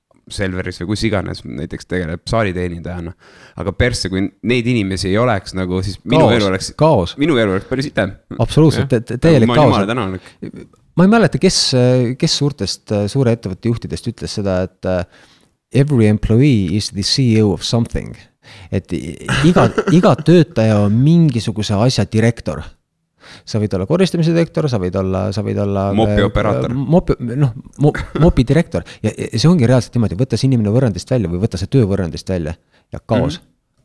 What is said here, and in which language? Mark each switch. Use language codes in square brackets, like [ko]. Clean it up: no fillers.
[et] Selveris või kus iganes näiteks tegeleb saaliteenindajana . aga persse , kui neid inimesi ei oleks nagu , siis minu elu oleks . kaos . minu elu oleks päris idem . absoluutselt , täielik kaos . ma olen jumala tänanlik . ma ei mäleta , kes suurtest , suure ettevõtte juhtidest ütles seda , et . [en] Every employee is the CEO of something . [et] et iga töötaja on mingisuguse asja direktor . sa võid olla koristamise direktor , sa võid olla mopioperaator . Mopi direktor ja see ongi reaalselt niimoodi , võtta see inimene võrrandist välja või võtta see töö võrrandist välja ja kaos .